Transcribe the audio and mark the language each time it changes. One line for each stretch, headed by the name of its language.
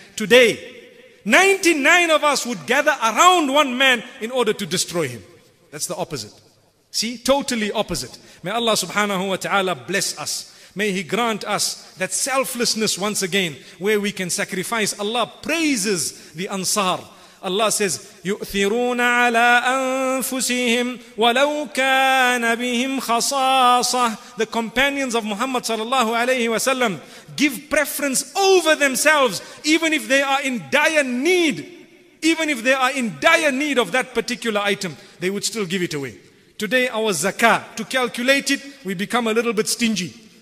English: Today, 99 of us would gather around one man in order to destroy him. That's the opposite. See, totally opposite. May Allah subhanahu wa ta'ala bless us. May He grant us that selflessness once again, where we can sacrifice. Allah praises the Ansar. Allah says,
Arabic: يُؤْثِرُونَ عَلَىٰ أَنفُسِهِمْ وَلَوْ كَانَ بِهِمْ خَصَاصَةً.
English: The companions of Muhammad sallallahu alayhi wa sallam give preference over themselves, even if they are in dire need. Even if they are in dire need of that particular item, they would still give it away. Today our zakah, to calculate it, we become a little bit stingy.